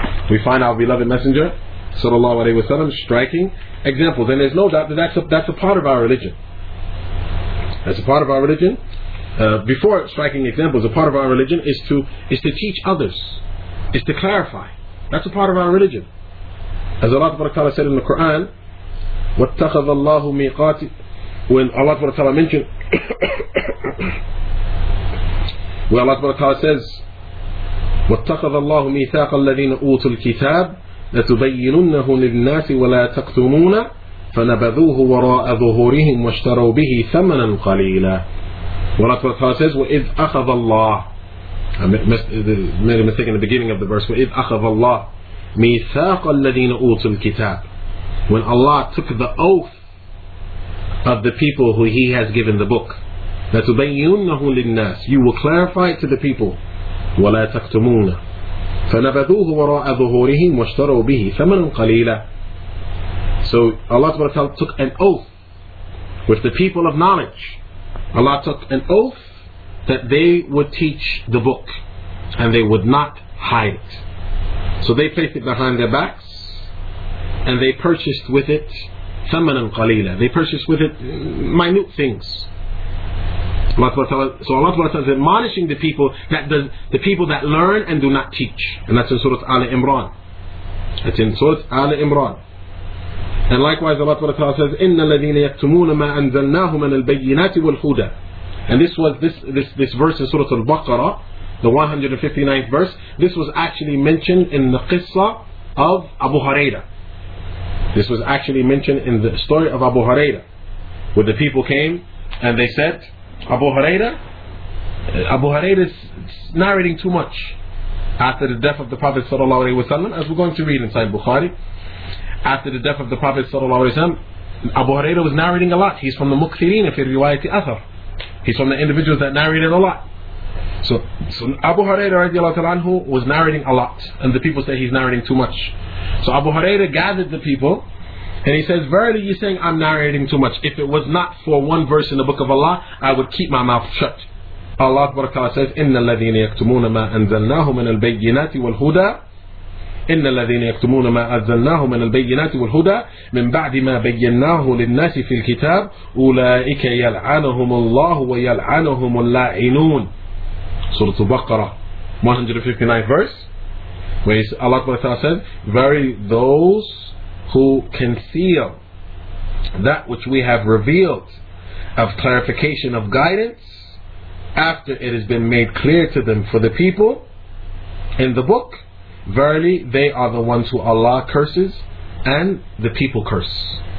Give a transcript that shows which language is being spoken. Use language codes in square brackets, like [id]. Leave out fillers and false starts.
[en] We find our beloved Messenger ﷺ striking examples. And there's no doubt that that's a part of our religion. That's a part of our religion. Before striking examples, a part of our religion is to teach others. Is to clarify. That's a part of our religion. As Allah Ta'ala said in the Quran, [ar] وَاتَّخَذَ اللَّهُ مِيقَاتِ, [en] when Allah Ta'ala mentioned where Allah Ta'ala says, [ar] وَاتَّخَذَ اللَّهُ مِيثَاقَ الَّذِينَ أُوتُوا الْكِتَابِ لَتُبَيِّنُنَّهُ لِلنَّاسِ وَلَا تَقْتُمُونَ فَنَبَذُوهُ وَرَاءَ ظُهُورِهِمْ وَاشْتَرَوْا بِهِ ثَمَنًا قَلِيلًا. [en] Allah Ta'ala says, [ar] وَإِذْ أَخَذَ اللَّهُ, [en] I made a mistake in the beginning of the verse. [ar] وَإِذْ أَخَذَ اللَّهُ مِيثَاقَ الَّذِينَ أُوتُوا الْكِتَابِ, [en] when Allah took the oath of the people who He has given the book, [ar] لَتُبَيُّنَّهُ لِلنَّاسِ, [en] you will clarify it to the people, [ar] وَلَا تَكْتُمُونَ فَنَبَذُوهُ وَرَاءَ ظُهُورِهِمْ وَاشْتَرَوْا بِهِ ثَمَنًا قَلِيلًا. [en] So Allah took an oath with the people of knowledge. Allah took an oath that they would teach the book and they would not hide it. So they placed it behind their backs and they purchased with it [ar] ثَمَنًا قَلِيلًا. [en] They purchased with it minute things. So Allah Ta'ala is admonishing the people that the people that learn and do not teach. And that's in Surah Ali Imran. That's in Surah Ali Imran. And likewise Allah Ta'ala says, [ar] إِنَّ الَّذِينَ يَكْتُمُونَ مَا أَنزَلْنَاهُ مَنَ الْبَيِّنَاتِ وَالْهُدَى. [en] And this was this verse in Surah Al-Baqarah, the 159th verse, this was actually mentioned in the Qissah of Abu Hurairah. This was actually mentioned in the story of Abu Hurairah, where the people came and they said, Abu Hurairah is narrating too much after the death of the Prophet sallallahu alaihi wasallam, as we're going to read inside Bukhari. After the death of the Prophet sallallahu alaihi wasallam, Abu Hurairah was narrating a lot. He's from the [ar] Mukthirin fi riwayati athar. [en] He's from the individuals that narrated a lot. So Abu Hurairah radiallahu ta'ala anhu was narrating a lot, and the people say he's narrating too much. So Abu Hurairah gathered the people and he says, verily you're saying I'm narrating too much. If it was not for one verse in the book of Allah, I would keep my mouth shut. Allah says, [ar] إِنَّ الَّذِينَ يَكْتُمُونَ مَا أَنزَلْنَاهُ مِنَ الْبَيِّنَاتِ وَالْهُدَى إن الذين يكتمون ما أنزلناه من البينات والهدى من بعد ما بيناه للناس في الكتاب أولئك يلعنهم الله ويلعنهم اللاعنون. [en] سورة البقرة 159 verse, where Allah SWT said, "Verily those who conceal that which we have revealed of clarification of guidance after it has been made clear to them for the people in the book, verily they are the ones who Allah curses and the people curse."